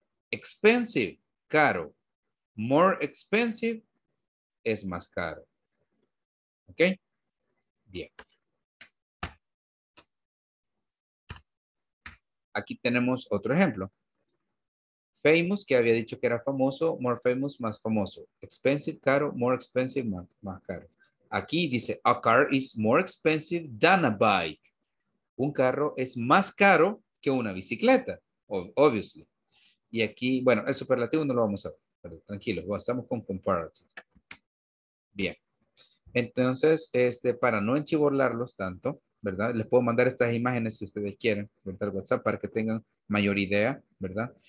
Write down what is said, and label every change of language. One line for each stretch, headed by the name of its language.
Spanish: Expensive, caro.
English: More expensive,
Spanish: es más caro. ¿Ok? Bien. Aquí tenemos otro ejemplo. Famous, que había dicho que era famoso,
English: more famous,
Spanish: más famoso. Expensive, caro,
English: more expensive,
Spanish: más caro. Aquí dice,
English: a car is more expensive than a bike.
Spanish: Un carro es más caro que una bicicleta, obviously. Y aquí, bueno, el superlativo no lo vamos a ver. Pero tranquilo, estamos con comparative. Bien. Entonces, para no enchivolarlos tanto, ¿verdad? Les puedo mandar estas imágenes si ustedes quieren, por WhatsApp, para que tengan mayor idea, ¿verdad?